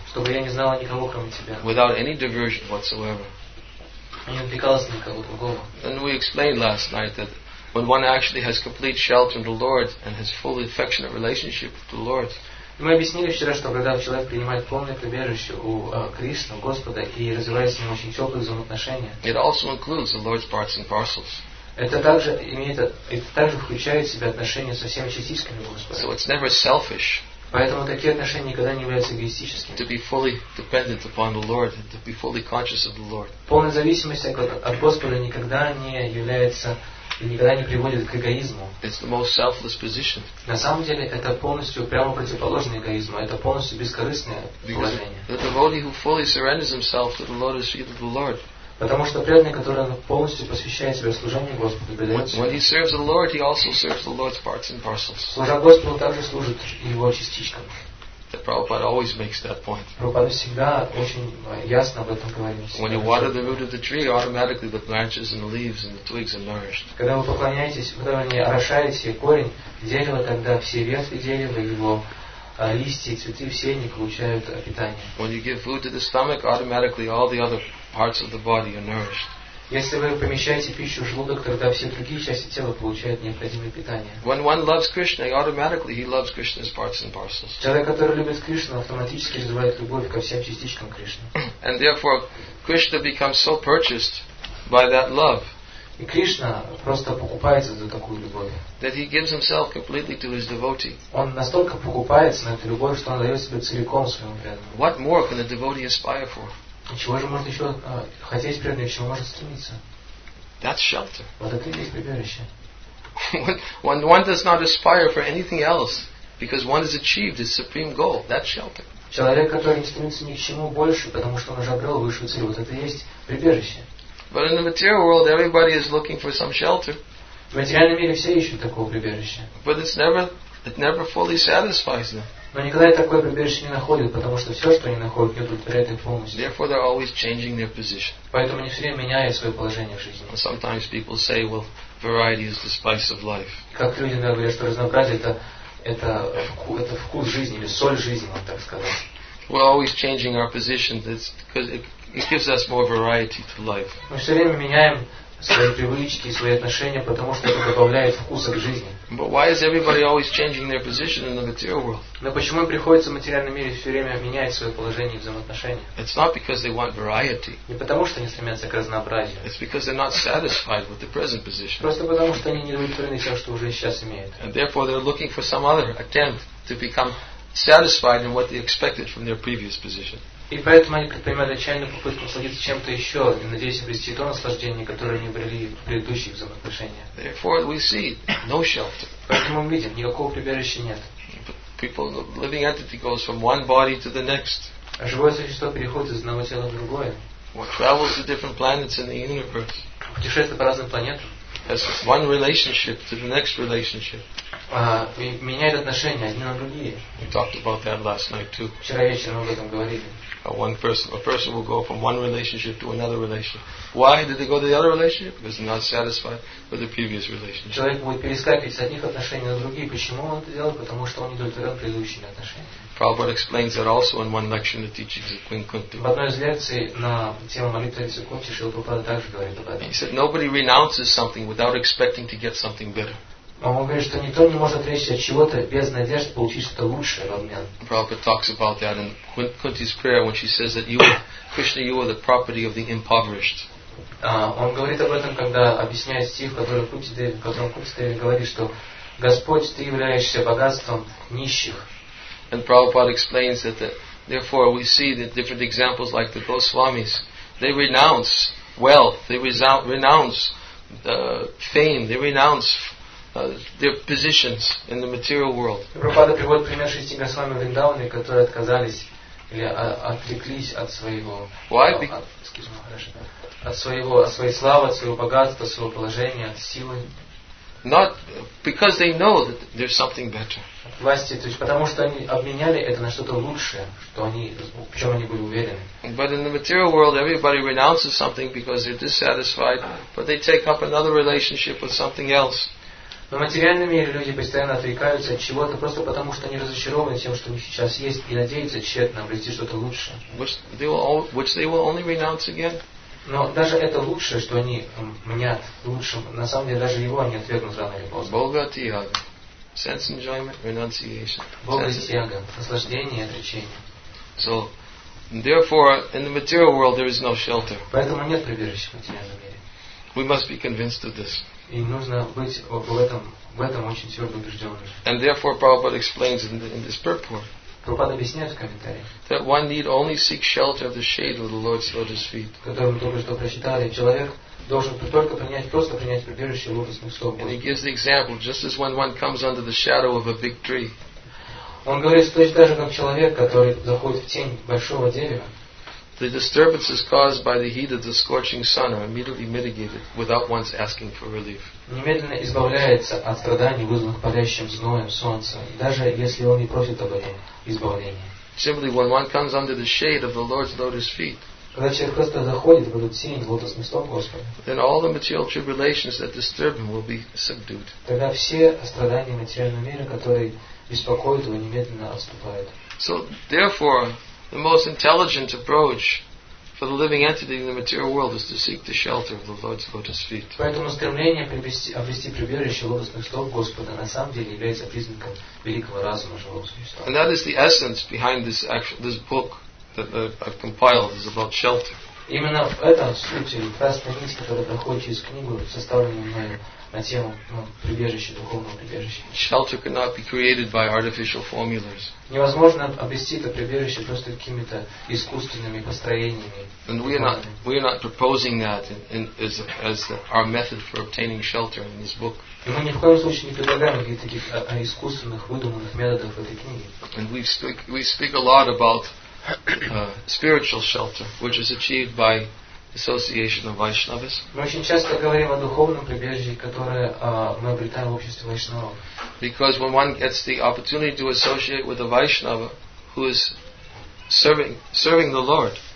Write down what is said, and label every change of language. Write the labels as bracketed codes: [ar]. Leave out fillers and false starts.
[ru] Чтобы я не знала никого, кроме тебя. [en] Without any diversion whatsoever. [ru] Не отвлекалась на никого другого. [en] And we explained last night that when one actually has complete shelter in the Lord and has full affectionate relationship with the Lord. [ru] Мы объяснили вчера, что когда человек принимает полное прибежище у Кришны, Господа, и развивает с ним очень теплые взаимоотношения. [en] It also includes the Lord's parts and parcels. [ru] Это также включает в себя отношения со всеми частичками Господа. [en] So it's never selfish. [ru] Поэтому такие отношения никогда не являются эгоистическими. [en] To be fully dependent upon the Lord, to be fully conscious of the Lord. [ru] Полная зависимость от Господа никогда не является и никогда не приводит к эгоизму. [en] It's the most selfless position. [ru] На самом деле это полностью прямо противоположный эгоизму. Это полностью бескорыстное положение. [en] The devotee who fully surrenders himself to the lotus feet of the Lord. [ru] Потому что преданный, который полностью посвящает себя служению Господу, предается. [en] When he serves the Lord, he also serves the Lord's parts and parcels. [ru] Служа Господу, также служит его частичкам. [en] The Prabhupada always makes that point. [ru] Прабхупада всегда очень ясно об этом говорит. [en] When you water the root of the tree, automatically the branches and the leaves and the twigs are nourished. [ru] Когда вы поклоняетесь, когда вы орошаете корень дерева, тогда все ветви дерева, его листья, цветы, все они получают питание. [en] When you give food to the stomach, automatically all the other parts of the body are nourished. [ru] Если вы помещаете пищу в желудок, тогда все другие части тела получают необходимое питание. [en] When one loves Krishna, automatically he loves Krishna's parts and parcels. [ru] Человек, который любит Кришну, автоматически развивает любовь ко всем частичкам Кришны. [en] And therefore, Krishna becomes so purchased by that love. [ru] И Кришна просто покупается за такую любовь. [en] That he gives himself completely to his devotee. [ru] Он настолько покупается на эту любовь, что он дает себя целиком своему преданному. [en] What more can a devotee aspire for? [ru] Чего же может еще хотеть преданный, чего может стремиться? [en] That's shelter. [ru] Вот это и есть прибежище. [en] When one does not aspire for anything else, because one has achieved his supreme goal, that's shelter. [ru] Человек, который не стремится ни к чему больше, потому что он уже обрел высшую цель, вот это и есть прибежище. [en] But in the material world, everybody is looking for some shelter. [ru] В материальном мире все ищут такого прибежища. [en] But it never fully satisfies them. [ru] Но никогда и такое прибежище не находят, потому что все, что они находят, не удовлетворяет их полностью. [en] Therefore, they're always changing their position. [ru] Поэтому они все время меняют свое положение в жизни. [en] And sometimes people say, well, variety is the spice of life. [ru] Как люди говорят, что разнообразие это вкус жизни или соль жизни, так сказать. [en] We're always changing our position. That's because it gives us more variety to life. [ru] Мы все время меняем свои привычки, свои отношения, потому что это добавляет вкуса к жизни. [en] But why is everybody always changing their position in the material world? [ru] Но почему им приходится в материальном мире все время менять свое положение и взаимоотношения? [en] It's not because they want variety. [ru] Не потому что они стремятся к разнообразию. [en] It's because they're not satisfied with the present position. [ru] Просто потому что они не удовлетворены тем, что уже сейчас имеют. [en] And therefore they're looking for some other attempt to become satisfied in what they expected from their previous position. [ru] И поэтому они предпринимают отчаянную попытку насладиться чем-то еще и надеясь обрести то наслаждение, которое они обрели в предыдущих взаимоотношениях. [en] Therefore, we see no shelter. [ru] Поэтому мы видим, никакого прибежища нет. [en] But people, the living entity goes from one body to the next. [ru] А живое существо переходит из одного тела в другое. [en] What travels to different planets in the universe? [ru] Путешествует по разным планетам. [en] Has one relationship to the next relationship. [ru] Меняет отношения одни на другие. [en] We talked about that last night too. [ru] Вчера вечером об этом говорили. [en] A person will go from one relationship to another relationship. Why did they go to the other relationship? Because they're not satisfied with the previous relationship. [ru] Человек будет перескакивать с одних отношений на другие. Почему он это делает? Потому что он не удовлетворен предыдущими отношениями. [en] Prabhupada explains that also in one lecture in the teachings of Queen Kunti. [ru] В одной из лекций на тему молитвы Тритхи Кунти Шрила Прабхупада также говорит об этом. [en] He said nobody renounces something without expecting to get something better. [ru] Он говорит, что никто не может отречься от чего-то без надежды получить что-то лучшее в обмен. [en] Prabhupada talks about that in Kunti's prayer when she says that you, Krishna, you are the property of the impoverished. [ru] Он говорит об этом, когда объясняет стих, в котором Кунти говорит, что Господь, ты являешься богатством нищих. [en] And Prabhupada explains that therefore we see the different examples like the Goswamis. They renounce wealth, they renounce fame, they renounce their positions in the material world. [ru] Прабхупада приводит пример шести Госвами Вриндаваны, которые отказались или отреклись от своего своей славы, от своего богатства, от своего положения, от силы. [en] Not because they know that there's something better. [ru] От власти, то есть потому что они обменяли это на что-то лучшее, в чем они были уверены. [en] But in the material world, everybody renounces something because they're dissatisfied, but they take up another relationship with something else. [ru] В материальном мире люди постоянно отвлекаются от чего-то просто потому, что они разочарованы тем, что у них сейчас есть, и надеются тщетно обрести что-то лучшее. [en] Which they will only renounce again. [ru] Но даже это лучшее, что они мнят лучшим, на самом деле даже его они отвергнут рано или поздно. [en] Bhogatyaga. Sense enjoyment, renunciation. [sa] Bhogatyaga. [ru] Наслаждение и отречение. [en] So, therefore, in the material world there is no shelter. [ru] Поэтому нет прибежища в материальном мире. [en] We must be convinced of this. [ru] И нужно быть в этом очень твердо убежденным. [en] And therefore, Prabhupada explains in this purport. [ru] Прабхупада объясняет в комментариях. [en] That one need only seek shelter of the shade of the Lord's lotus feet. [ru] Которым только что прочитали, человек должен только просто принять прибежище в лотосных стопах. [en] And he gives the example, just as when one comes under the shadow of a big tree. [ru] Он говорит, что точно так же, как человек, который заходит в тень большого дерева. [en] The disturbances caused by the heat of the scorching sun are immediately mitigated without one's asking for relief. [ru] Немедленно избавляется от страданий, вызванных палящим зноем солнца, даже если он не просит об этом избавления. [en] Simply when one comes under the shade of the Lord's lotus feet, [ru] когда человек просто заходит в эту тень лотосных стоп Господа, [en] then all the material tribulations that disturb him will be subdued. [ru] Тогда все страдания материального мира, которые беспокоят его, немедленно отступают. [en] So therefore, the most intelligent approach for the living entity in the material world is to seek the shelter of the Lord's lotus feet. [ru] Поэтому стремление обрести прибежище лотосных стоп Господа на самом деле является признаком великого разума живого существа. [en] And that is the essence behind this book that I've compiled is about shelter. [ru] Именно в этом сути красная нить, которая проходит через книгу, составленную мною на тему прибежища, духовного прибежища. [en] Shelter cannot be created by artificial formulas. [ru] Невозможно обрести это прибежище просто какими-то искусственными построениями. [en] And we are not proposing that as our method for obtaining shelter in this book. [ru] И мы ни в коем случае не предлагаем таких искусственных, выдуманных методов в этой книге. [en] And we speak a lot about spiritual shelter, which is achieved by association of Vaishnavas. [ru] Мы очень часто говорим о духовном прибежище, которое мы обретаем в обществе вайшнавов. [en] Because when one gets the opportunity to associate with a Vaishnava who is serving the Lord,